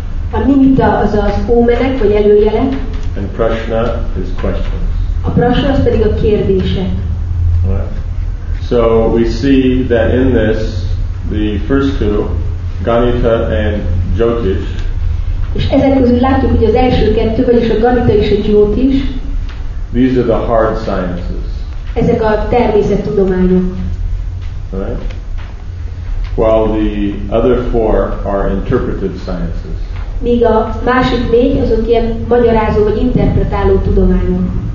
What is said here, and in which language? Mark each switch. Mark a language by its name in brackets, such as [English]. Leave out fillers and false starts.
[Hungarian] A nimita az az ómenek vagy előjelek. [English] And prashna is questions. [Hungarian] A prashna az pedig a kérdések. [English] So we see that in this, the first two, Ganita and Jyotish. [Hungarian] És ezek közül látjuk, hogy az első kettő, vagyis a Ganita és a Jyotish. [English] These are the hard sciences. [Hungarian] Ezek a természettudományok. [English] Right. While the other four are interpretive sciences. [Hungarian] Míg a másik négy azok ilyen magyarázó vagy interpretáló tudományok.